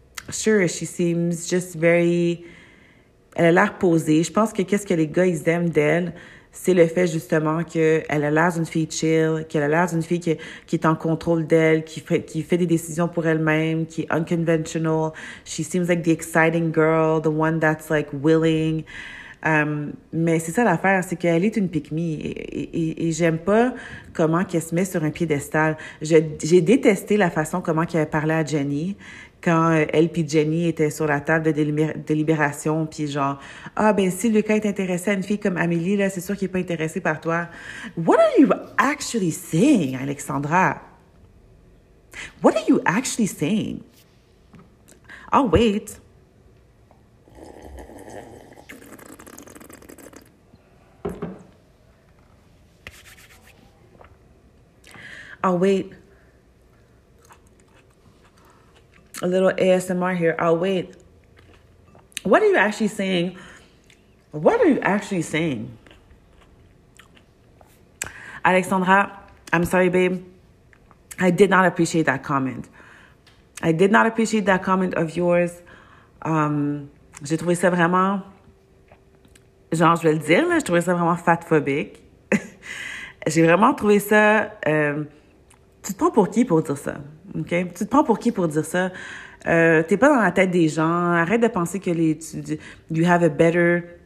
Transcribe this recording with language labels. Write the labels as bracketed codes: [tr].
[en] Sure, she seems just very... [fr] Elle a l'air posée. Je pense que qu'est-ce que les gars, ils aiment d'elle, c'est le fait, justement, qu'elle a l'air d'une fille chill, qu'elle a l'air d'une fille qui est en contrôle d'elle, qui fait des décisions pour elle-même, qui est unconventional. [en] She seems like the exciting girl, the one that's, like, willing. [fr] Mais c'est ça l'affaire, c'est qu'elle est une pick-me. Et j'aime pas comment qu'elle se met sur un piédestal. J'ai détesté la façon comment qu'elle parlait à Jenny, quand elle et Jenny étaient sur la table de délibération, puis genre, ah, ben si Lucas est intéressé à une fille comme Amélie, là, c'est sûr qu'il n'est pas intéressé par toi. [en] What are you actually saying, Alexandra? What are you actually saying? Oh, wait. Oh, wait. A little ASMR here. Oh, wait. What are you actually saying? What are you actually saying? Alexandra, I'm sorry, babe. I did not appreciate that comment. I did not appreciate that comment of yours. [fr] J'ai trouvé ça vraiment... Genre, je vais le dire, là, j'ai trouvé ça vraiment fatphobique. J'ai vraiment trouvé ça... Tu te prends pour qui pour dire ça? OK? Tu te prends pour qui pour dire ça? T'es pas dans la tête des gens. Arrête de penser que [en] you have a better...